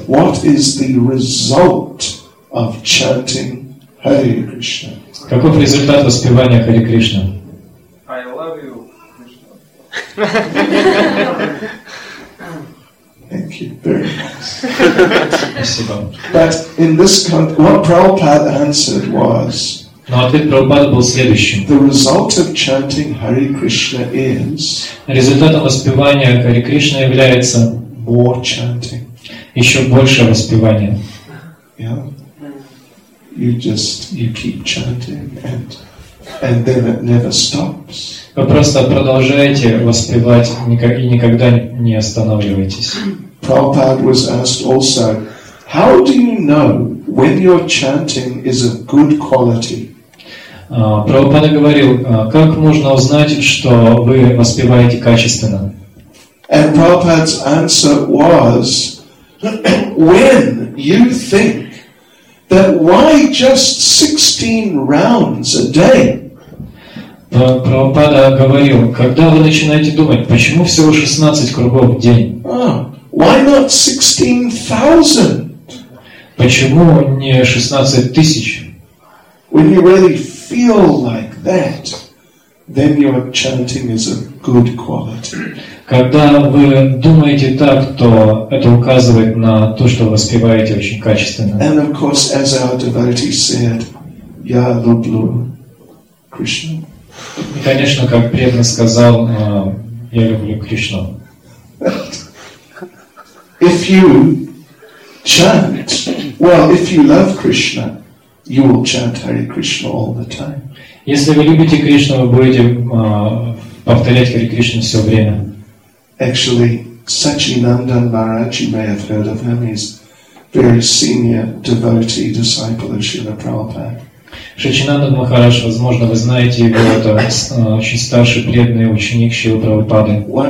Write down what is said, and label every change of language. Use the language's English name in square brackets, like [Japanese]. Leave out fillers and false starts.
[English] What is the result of chanting Hare Krishna? [Russian] Каков результат воспевания Хари Кришна? [English] I love you. Thank you very much. But in this context, what Prabhupada answered was. [Russian] Но ответ Прабхупады был следующим. [English] The result of chanting Hare Krishna is. [Russian] Результатом воспевания Хари Кришна является [English] more chanting. [Russian] Еще больше воспевания. [English] Yeah. You keep chanting and then it never stops. [Russian] Вы просто продолжаете воспевать и никогда не останавливаетесь. [English] Prabhupada was asked also, how do you know when your chanting is of good quality? [Russian] Прабхупада говорил, как можно узнать, что вы воспеваете качественно? [English] And Prabhupada's answer was, when you think that why just 16 rounds a day? [Russian] Прабхупада говорил, когда вы начинаете думать, почему всего 16 кругов в день? [English] Why not 16,000? [Russian] Почему не 16 тысяч? [English] When you really feel like that, then your chanting is of good quality. [Russian] Когда вы думаете так, то это указывает на то, что вы воспеваете очень качественно. [English] And of course, as our devotee said, [Russian] я люблю Кришну. И, конечно, как преданный сказал, я люблю Кришну. [English] If you chant, well, if you love Krishna, you will chant Hare Krishna all the time. [Russian] Если вы любите Кришну, вы будете повторять Хари Кришну все время. [English] Actually, Sachinandan Maharaj, you may have heard of him, he's very senior devotee, disciple of Srila Prabhupada. [Russian] Шачинандан Махарадж, возможно, вы знаете его, это очень старший преданный ученик Шрилы Прабхупады.